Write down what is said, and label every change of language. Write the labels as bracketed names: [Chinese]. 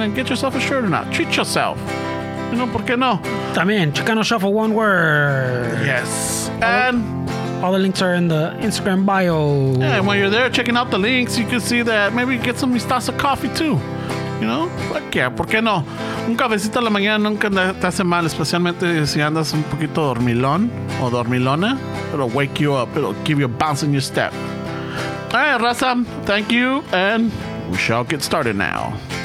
[English] And get yourself a shirt or not. Treat yourself. You know, [Spanish] por qué no? [English] También, Chicano Shuffle, one word. Yes. And... all the links are in the Instagram bio. Yeah, and when you're there checking out the links, you can see that maybe you get some mistazo coffee too. [Spanish] You know? [English] Fuck yeah, [Spanish] ¿por qué no? Un cafecito a la mañana nunca te hace mal, especialmente si andas un poquito dormilón o dormilona. [English] It'll wake you up, it'll give you a bounce in your step. All right, Raza, thank you, and we shall get started now.